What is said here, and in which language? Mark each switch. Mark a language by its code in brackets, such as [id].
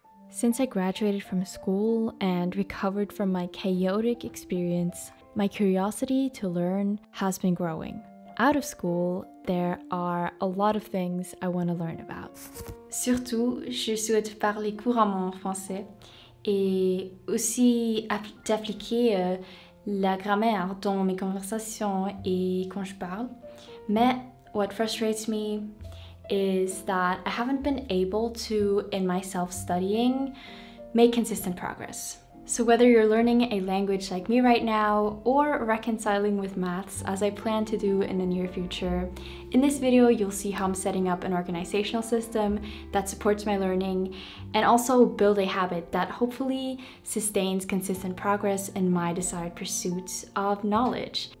[en] Since I graduated from school and recovered from my chaotic experience, my curiosity to learn has been growing. Out of school, there are a lot of things I want to learn about. [fr] Surtout, je souhaite parler couramment en français et aussi d'appliquer la grammaire dans mes conversations et quand je parle. Mais [en] what frustrates me is that I haven't been able to, in my self-studying, make consistent progress. So whether you're learning a language like me right now or reconciling with maths as I plan to do in the near future, in this video you'll see how I'm setting up an organizational system that supports my learning and also build a habit that hopefully sustains consistent progress in my desired pursuit of knowledge.